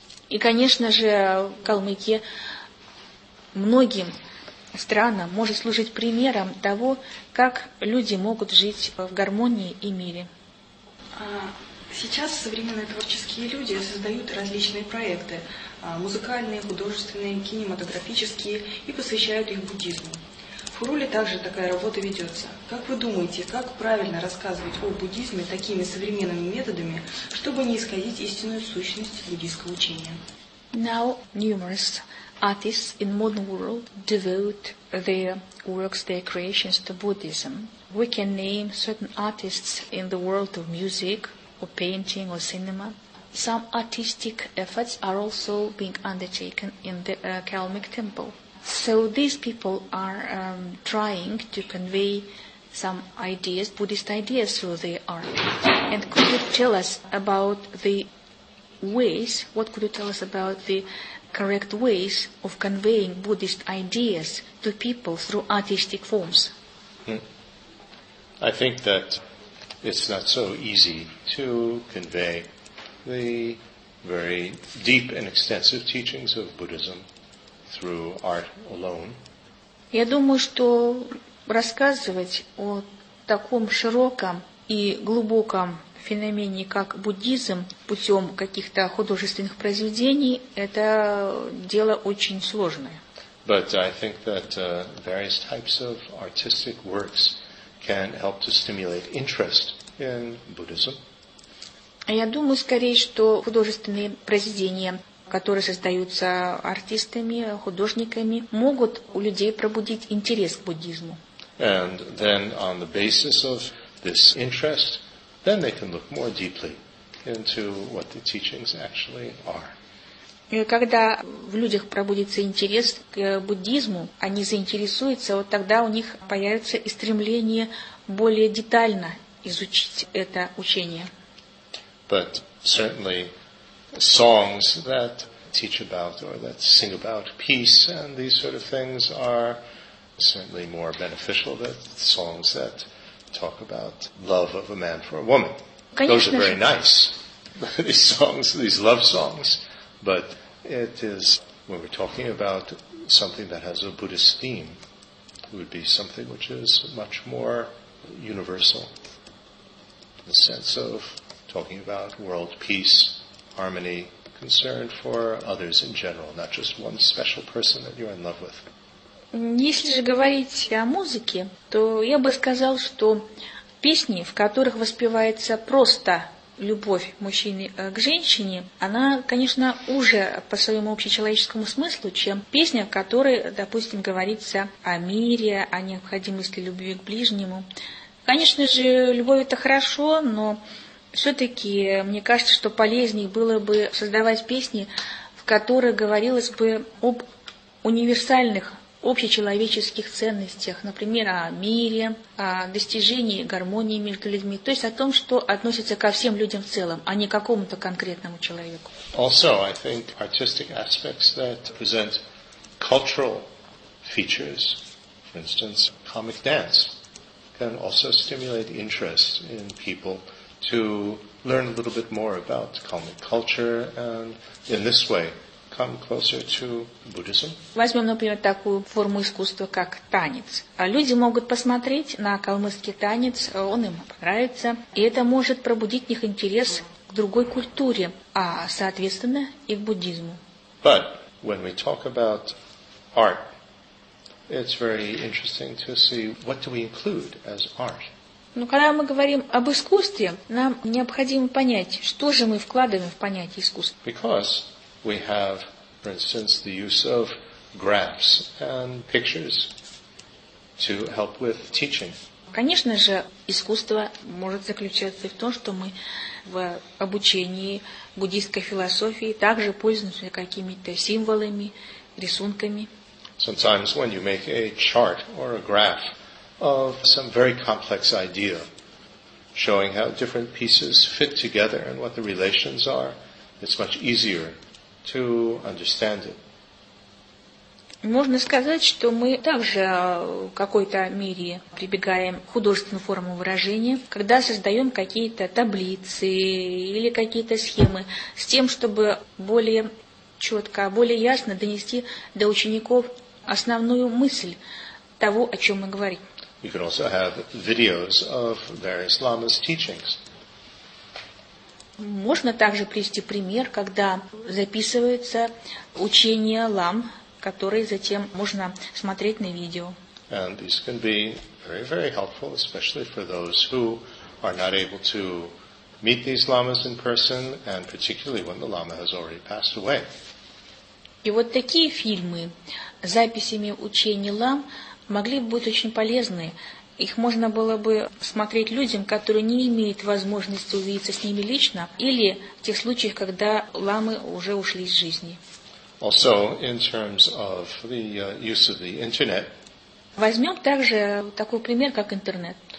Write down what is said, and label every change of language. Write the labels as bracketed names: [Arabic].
[Russian] И, конечно же, Калмыкия многим странам может служить примером того, как люди могут жить в гармонии и мире. Сейчас современные творческие люди создают различные проекты, музыкальные, художественные, кинематографические, и посвящают их буддизму. В Хуруле также такая работа ведется. Как вы думаете, как правильно рассказывать о буддизме такими современными методами, чтобы не исказить истинную сущность буддийского учения? [English] Now, numerous artists in modern world devote their works, their creations to Buddhism. We can name certain artists in the world of music, or painting, or cinema. Some artistic efforts are also being undertaken in the Kalmyk temple. So these people are trying to convey some ideas, Buddhist ideas, through their art. And could you tell us about the ways, what could you tell us about the correct ways of conveying Buddhist ideas to people through artistic forms? I think that it's not so easy to convey the very deep and extensive teachings of Buddhism through art alone. [Russian] Я думаю, что рассказывать о таком широком и глубоком феномене, как буддизм, путем каких-то художественных произведений, это дело очень сложное. [English] But I think that various types of artistic works can help to stimulate interest in Buddhism. [Russian] Я думаю, скорее, что художественные произведения, которые создаются артистами, художниками, могут у людей пробудить интерес к буддизму. [English] And then on the basis of this interest, then they can look more deeply into what the teachings actually are. [Russian] И когда в людях пробудится интерес к буддизму, они заинтересуются, вот тогда у них появится и стремление более детально изучить это учение. [English] But certainly songs that teach about or that sing about peace and these sort of things are certainly more beneficial than songs that talk about love of a man for a woman. [Russian] Конечно. [English] Those are very nice, these songs, these love songs, but it is, when we're talking about something that has a Buddhist theme, it would be something which is much more universal, in the sense of talking about world peace, harmony, concern for others in general, not just one special person that you're in love with. [Russian] Если же говорить о музыке, то я бы сказал, что песни, в которых воспевается просто любовь мужчины к женщине, она, конечно, уже по своему общечеловеческому смыслу, чем песня, в которой, допустим, говорится о мире, о необходимости любви к ближнему. Конечно же, любовь – это хорошо, но все-таки мне кажется, что полезнее было бы создавать песни, в которых говорилось бы об универсальных общечеловеческих ценностях, например, о мире, о достижении гармонии между людьми, то есть о том, что относится ко всем людям в целом, а не к какому-то конкретному человеку. [English] Also, I think artistic aspects that present cultural features, for instance, comic dance, can also stimulate interest in people to learn a little bit more about comic culture and in this way come closer to Buddhism. [Russian] Возьмем, например, такую форму искусства, как танец. Люди могут посмотреть на калмыцкий танец, он им понравится, и это может пробудить в них интерес к другой культуре, а, соответственно, и к буддизму. [English] But when we talk about art, it's very interesting to see what do we include as art. [Russian] Но когда мы говорим об искусстве, нам необходимо понять, что же мы вкладываем в понятие искусства. [English] Because we have, for instance, the use of graphs and pictures to help with teaching. [Russian] Конечно же, искусство может заключаться в том, что мы в обучении буддийской философии также пользуемся какими-то символами, рисунками. [English] Sometimes when you make a chart or a graph of some very complex idea, showing how different pieces fit together and what the relations are, it's much easier to understand it. [Russian] Можно сказать, что мы также в какой-то мере прибегаем к художественным формам выражения, когда создаем какие-то таблицы или какие-то схемы, с тем, чтобы более четко, более ясно донести до учеников основную мысль того, о чем мы говорим. [English] You can also have videos of various lamas' teachings. [Russian] Можно также привести пример, когда записываются учения лам, которые затем можно смотреть на видео. [English] And these can be very, very helpful, especially for those who are not able to meet these lamas in person, and particularly when the lama has already passed away. [Russian] И вот такие фильмы с записями учений лам могли бы быть очень полезны. Их можно было бы смотреть людям, которые не имеют возможности увидеться с ними лично, или в тех случаях, когда ламы уже ушли из жизни. [English] Also, in terms of the use of the internet, [Russian] возьмем также такой пример, как интернет.